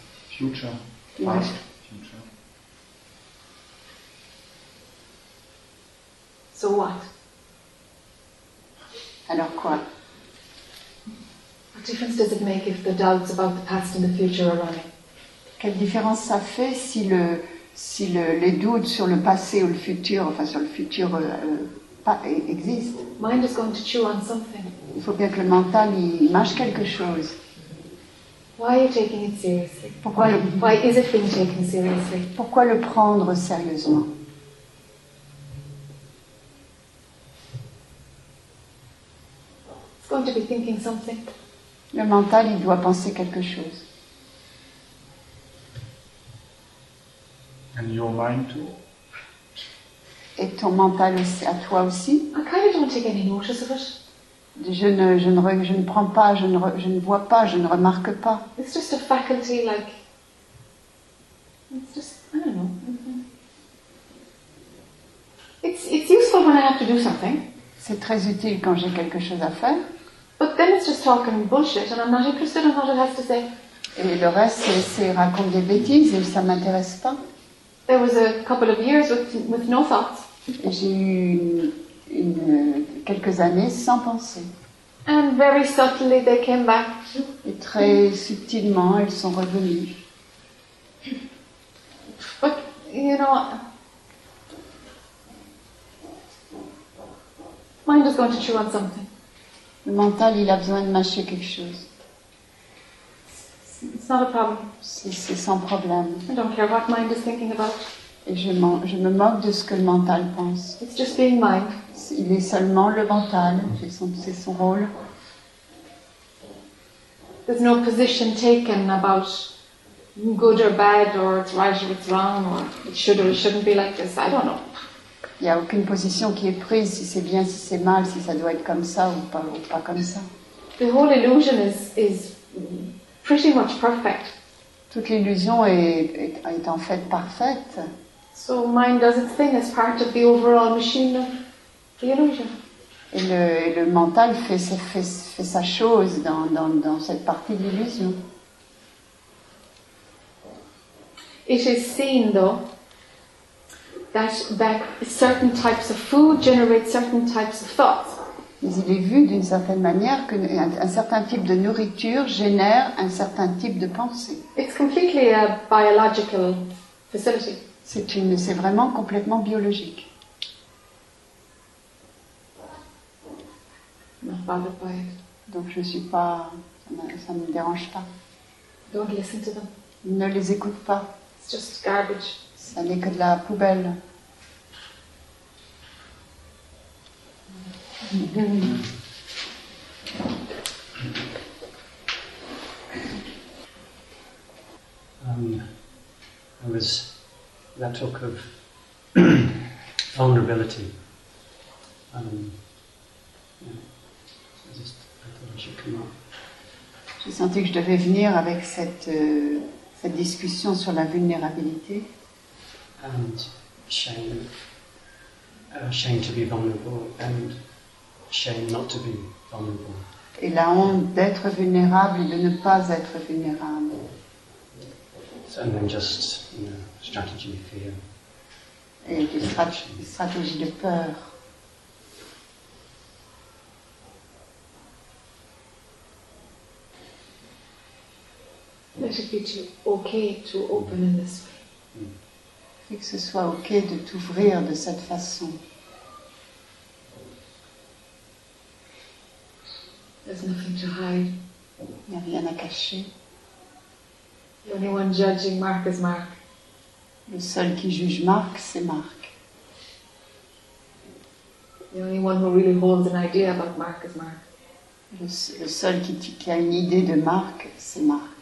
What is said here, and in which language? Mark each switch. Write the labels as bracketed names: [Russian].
[English] Future. Past. So what? [French] Alors quoi? [English] What difference does it make if the doubts about the past and the future are running? [French] Quelle différence ça fait si les doutes sur le passé ou le futur, enfin sur le futur, existent? [English] Mind is going to chew on something. [French] Il faut bien que le mental il mâche quelque chose. [English] Why are you taking it seriously? [French] Pourquoi [English] Why is it being taken seriously? [French] Pourquoi le prendre sérieusement? [English] Going to be thinking something. [French] Le mental, il doit penser quelque chose. [English] And your mind too. [French] Et ton mental aussi, à toi aussi. [English] I kind of don't take any notice of it. [French] Je ne remarque pas. [English] It's just a faculty, like. It's just, I don't know. It's useful when I have to do something. [French] C'est très utile quand j'ai quelque chose à faire. [English] But then it's just talking bullshit, and I'm not interested in what it has to say. [French] Et le reste, c'est raconte des bêtises, et ça m'intéresse pas. [English] There was a couple of years with no thoughts. [French] Et j'ai eu quelques années sans pensée. [English] And very subtly they came back. [French] Et très subtilement, elles sont revenues. [English] But, you know, mind is going to chew on something. [French] Le mental, il a besoin de mâcher quelque chose. [English] It's not a problem. [French] C'est sans problème. [English] I don't care what mind is thinking about. [French] Et je me moque de ce que le mental pense. [English] It's just being mind. [French] Il est seulement le mental. C'est son rôle. [English] There's no position taken about good or bad or it's right or it's wrong or it should or it shouldn't be like this. I don't know. [French] Il n'y a aucune position qui est prise, si c'est bien, si c'est mal, si ça doit être comme ça ou pas comme ça. [English] The whole illusion is pretty much perfect. [French] Toute l'illusion est en fait parfaite. [English] So mind does its thing as part of the overall machine of the illusion. [French] Et le mental fait sa chose dans cette partie de l'illusion. [English] It is seen though. That certain types of food generate certain types of thoughts. [French] Mais il est vu d'une certaine manière que un certain type de nourriture génère un certain type de pensée. [English] It's completely a biological facility. [French] C'est vraiment complètement biologique. Donc je suis pas, ça me dérange pas. [English] Don't listen to them. [French] Ne les écoute pas. [English] It's just garbage. [French] Ça n'est que de la poubelle. [English] There was that talk of vulnerability. I thought I should come up. [French] J'ai senti que je devais venir avec cette discussion sur la vulnérabilité. [English] And shame to be vulnerable and shame not to be vulnerable. [French] Et la honte d'être vulnérable et de ne pas être vulnérable. [English] Certainly just, you know, strategy of fear. [French] Et des stratégies de peur. [English] Let it be okay to open in this way. Mm. [French] Et que ce soit okay de t'ouvrir de cette façon. [English] There's nothing to hide. [French] Il n'y a rien à cacher. [English] The only one judging Mark is Mark. [French] Le seul qui juge Mark, c'est Mark. [English] The only one who really holds an idea about Mark is Mark. [French] Le seul qui a une idée de Mark, c'est Mark.